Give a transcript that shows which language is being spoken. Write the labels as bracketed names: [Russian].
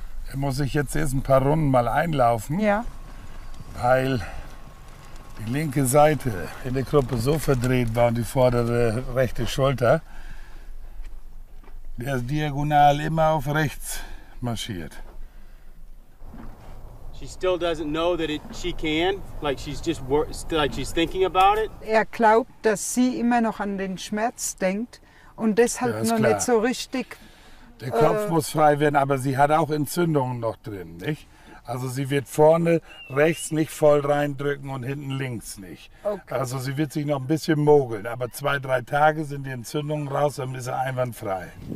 [German] Da muss ich jetzt erst ein paar Runden mal einlaufen. Ja. Weil die linke Seite in der Gruppe so verdreht war und die vordere rechte Schulter, der ist diagonal immer auf rechts marschiert. [English] She still doesn't know that it, she can, like she's just like she's thinking about it. [German] Er glaubt, dass sie immer noch an den Schmerz denkt und deshalb noch nicht so richtig. Der Kopf muss frei werden, aber sie hat auch Entzündungen noch drin, nicht? Also sie wird vorne rechts nicht voll reindrücken und hinten links nicht. Okay. Also sie wird sich noch ein bisschen mogeln, aber 2-3 Tage sind die Entzündungen raus, dann ist er einwandfrei.